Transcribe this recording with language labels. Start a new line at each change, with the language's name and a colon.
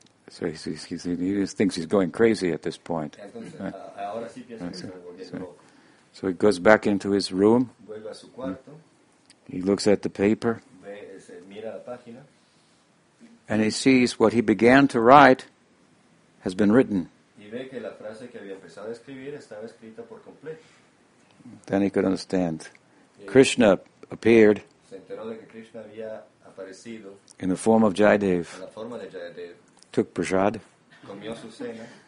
English: So he thinks he's going crazy at this point.
Spanish: Entonces, ahora sí piensa que se volvió loco.
English: So he goes back into his room.
Spanish: Vuelve a su cuarto.
English: He looks at the paper.
Spanish: Ve, mira mira la página,
English: and he sees what he began to write has been written.
Spanish: Y ve que la frase que había empezado a escribir estaba escrita por completo.
English: Then he could understand. Krishna appeared
Spanish: se enteró de que Krishna había aparecido
English: in the form of Jayadev,
Spanish: en la forma de Jayadev,
English: took prasad,
Spanish: comió su cena,